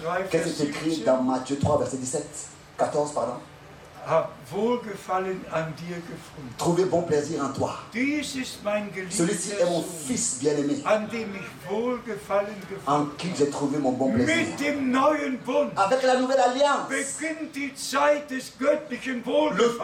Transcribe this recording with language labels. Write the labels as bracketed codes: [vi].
[fr] Qu'est-ce qui est écrit dans Matthieu 3, verset 17, 14, pardon? [de] Wohlgefallen an dir gefunden. [fr] Trouver bon plaisir en toi. [de] Dies ist mein geliebter [fr] Celui-ci est mon fils bien-aimé. [de] An dem ich wohlgefallen gefunden. [fr] En qui j'ai trouvé mon bon plaisir. [de] Mit dem neuen Bund. [fr] Avec la nouvelle alliance. [de] Beginnt die Zeit des göttlichen Wohlgefallens.